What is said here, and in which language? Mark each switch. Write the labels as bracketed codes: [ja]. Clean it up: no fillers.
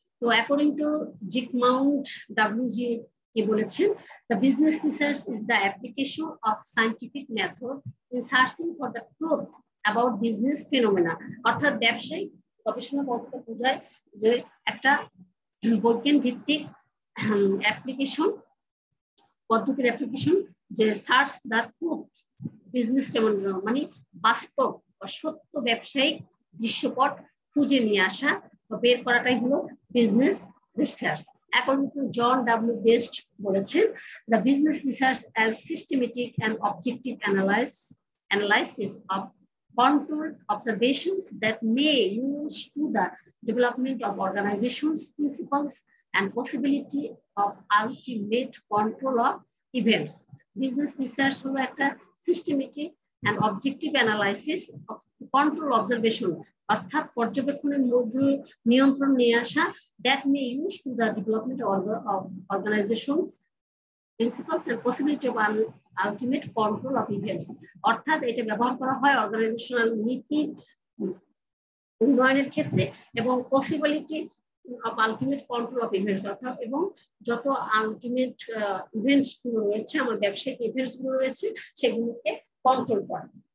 [en] So according to Zygmunt WG, the business research is the application of scientific method in searching for the truth about business phenomena. [bn] অর্থাৎ ব্যবসায়িক গবেষণা বলতে বোঝায় যে একটা বৈজ্ঞানিক ভিত্তিক অ্যাপ্লিকেশন পদ্ধতির অ্যাপ্লিকেশন যে [en] search the truth business phenomena [bn] মানে বাস্তব সত্য ব্যবসায়িক দৃশ্যপট খুঁজে নিয়ে আসা বা বের করাটাই হলো business research. [en] According to John W. Best, the business research as systematic and objective analysis of contour observations that may use to the development of organizations, principles, and possibility of ultimate control of events. Business research will act a systematic and objective analysis of contour observation. [bn] অর্থাৎ পর্যবেক্ষণের মধ্যে নিয়ন্ত্রণ নিয়ে আসা [en] That may use to the development of organization principles and possibility of ultimate control of events. [bn] অর্থাৎ এটা ব্যবহার করা হয় অর্গানাইজেশনাল নীতি উন্নয়নের ক্ষেত্রে এবং [en] possibility of ultimate control of events [bn] অর্থাৎ এবং যত আলটিমেট ইভেন্টসগুলো রয়েছে আমার ব্যবসায়িক ইভেন্টসগুলো রয়েছে সেগুলোকে কন্ট্রোল করা.